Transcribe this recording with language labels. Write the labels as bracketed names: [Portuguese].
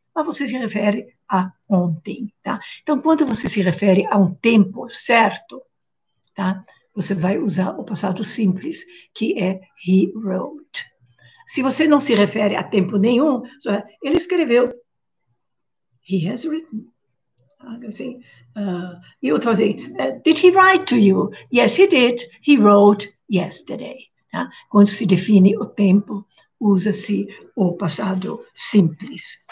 [Portuguese] Mas você se refere a ontem. Tá? Então, quando você se refere a um tempo certo, tá? Você vai usar o passado simples, que é [English] he wrote. [Portuguese] Se você não se refere a tempo nenhum, só, ele escreveu, [English] he has written. [Portuguese] Assim, e outro assim, [English] did he write to you? Yes, he did. He wrote yesterday. [Portuguese] Tá? Quando se define o tempo, usa-se o passado simples.